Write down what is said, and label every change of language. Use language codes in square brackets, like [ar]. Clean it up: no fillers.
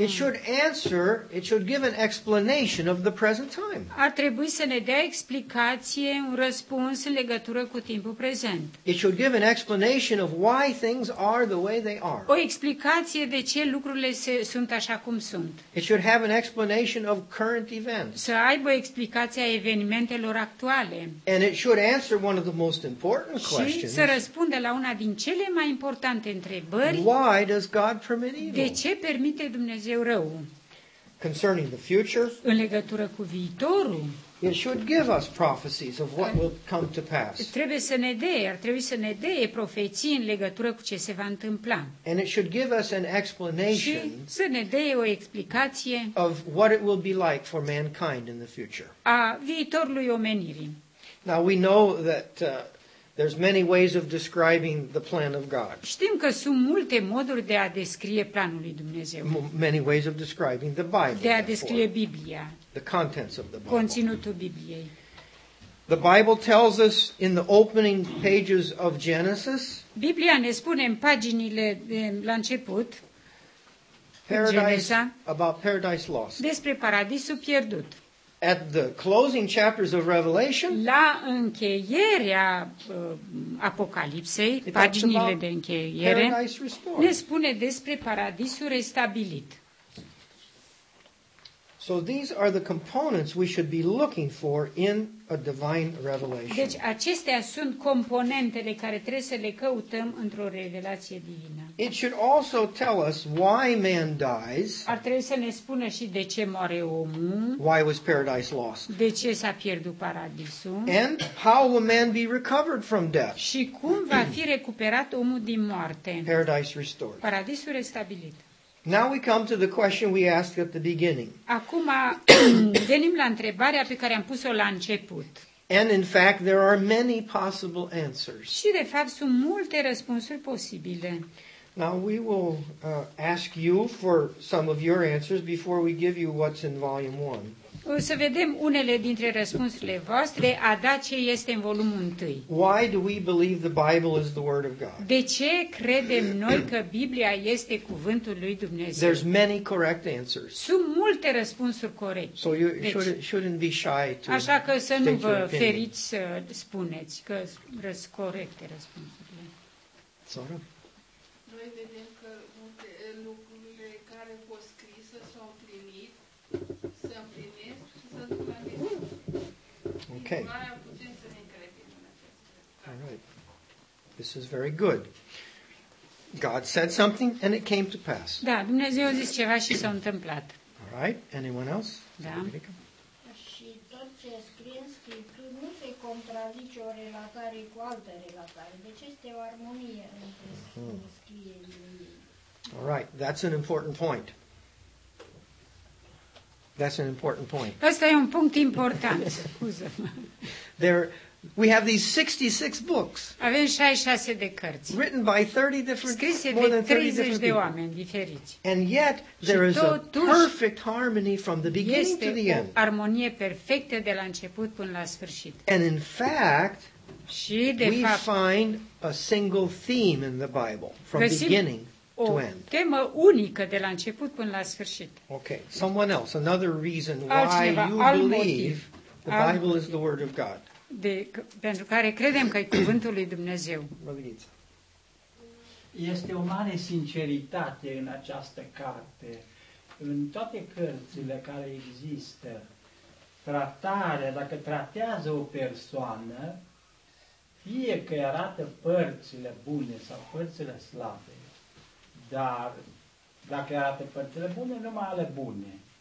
[en] It should answer, it should give an explanation of the present time. [ro] Ar trebui să ne dea explicație, un răspuns în legătură cu timpul prezent. [en] It should give an explanation of why things are the way they are. [ro] O explicație de ce lucrurile sunt așa cum sunt. [en] It should have an explanation of current events. [ro] Să aibă o explicație a evenimentelor actuale. [en] And it should answer one of the most important questions. [ro] Și să răspundă la una din cele mai importante întrebări. [en] Why does God permit? [ro] De ce permite Dumnezeu rău? [en] Concerning the future, [ro] în legătură cu viitorul, [en] it should give us prophecies of what will come to pass. [ro] Ar trebui să ne dea profeții în legătură cu ce se va întâmpla. [en] And it should give us an explanation. [ro] Și să ne dea o explicație [en] of what it will be like for mankind in the future. [ro] A viitorului omenirii. [en] Now we know that there's many ways of describing the plan of God. [ro] Știm că sunt multe moduri de a descrie planul lui Dumnezeu. [en] Many ways of describing the Bible. [ro] De a descrie Biblia. [en] The contents of the Bible. [ro] Conținutul Bibliei. [en] The Bible tells us in the opening pages of Genesis. [ro] Biblia ne spune în paginile de la început. [en] Paradise, about paradise lost. [ro] Despre paradisul pierdut. [en] At the closing chapters of Revelation, [ro] la încheierea Apocalipsei, paginile de încheiere, ne spune despre paradisul restabilit. [en] So these are the components we should be looking for in a divine revelation. [ro] Deci acestea sunt componentele care trebuie să le căutăm într-o revelație divină. [en] It should also tell us why man dies. [ro] Ar trebui să ne spună și de ce moare omul. [en] Why was paradise lost? [ro] De ce s-a pierdut paradisul? [en] And how will man be recovered from death? [ro] Și cum va fi recuperat omul din moarte? [en] Paradise restored. [ro] Paradisul restabilit. [en] Now we come to the question we asked at the beginning. [ro] Acum venim la întrebarea pe care am pus-o la început. [en] And in fact there are many possible answers. [ro] Și de fapt sunt multe răspunsuri posibile. [en] Now we will ask you for some of your answers before we give you what's in volume 1. [ro] O să vedem unele dintre răspunsurile voastre a da ce este în volumul 1. [en] Why do we believe the Bible is the word of God? [ro] De ce credem noi că Biblia este cuvântul lui Dumnezeu? [en] There's many correct answers. [ro] Sunt multe răspunsuri corecte. [en] So you shouldn't be shy to. [ro] Așa că să nu vă feriți să spuneți că sunt corecte răspunsurile. Sora. [en] Okay. All right. This is very good. God said something and it came to pass. [ro] Da, Dumnezeu a zis ceva și s-a întâmplat. [en] All right. Anyone else? [ro] Da. Și tot ce scrie în Scripturi nu se contrazice o relatare cu altă relatare. Deci este o armonie între scrie și ei. [en] All right. That's an important point. That's an important point. [ro] Asta e un punct important. Scuză-mă. [en] There, we have these 66 books. [ro] Avem 66 de cărți. [en] Written by 30 different, [ro] scrise [en] more than 30 30 different [ro] de oameni diferiți. [en] And yet there is a perfect harmony from the beginning to the end. [ro] Este o armonie perfectă de la început până la sfârșit. [en] And in fact, [ro] și de [en] we [ro] fapt, [en] find a single theme in the Bible from beginning. [ro] O temă unică de la început până la sfârșit. [en] Okay, someone else, another reason why you believe the Bible is the word of God. [ro] Pentru care credem că e cuvântul lui Dumnezeu. Este o mare sinceritate în această carte. În toate cărțile care există, tratarea, dacă tratează o persoană, fie că arată părțile bune sau părțile slabe, dar dacă arată părțile bune, numai ale bune.